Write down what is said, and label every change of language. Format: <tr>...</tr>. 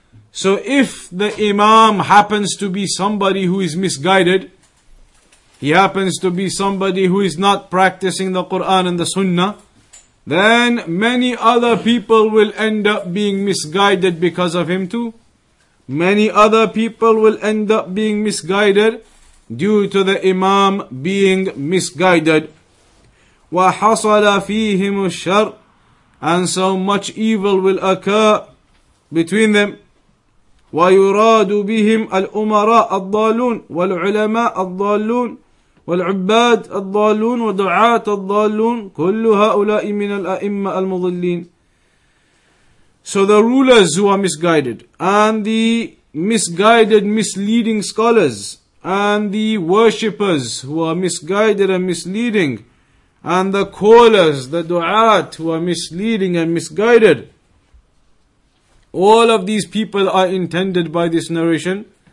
<en>So if the imam happens to be somebody who is misguided, he happens to be somebody who is not practicing the Qur'an and the Sunnah, then many other people will end up being misguided because of him too. Many other people will end up being misguided due to the imam being misguided.</en> <ar>وَحَصَلَ فِيهِمُ الشَّرِ.</ar> <en>And so much evil will occur between them.</en> <ar>وَيُرَادُ بِهِمْ الْأُمَرَاءَ الضَّالُونَ وَالْعُلَمَاءَ الضَّالُونَ والعباد الضالون ودعاة الضالون كل هؤلاء من الأئمة المضلين.</ar> <en>So the rulers who are misguided, and the misguided misleading scholars, and the worshippers who are misguided and misleading, and the callers, the du'at, who are misleading and misguided, all of these people are intended by this narration.</en>